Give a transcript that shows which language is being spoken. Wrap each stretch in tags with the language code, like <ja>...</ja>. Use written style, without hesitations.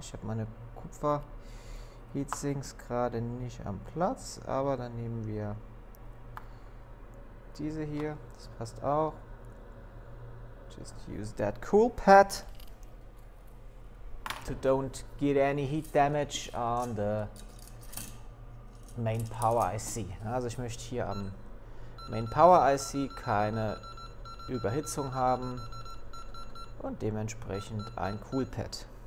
<de>Ich habe meine Kupfer Heatsinks gerade nicht am Platz, aber dann nehmen wir diese hier. Das passt auch.</de> <en>Just use that cool pad to don't get any heat damage on the main power IC.</en> <de>Also ich möchte hier am main power IC keine Überhitzung haben und dementsprechend ein Coolpad.</de>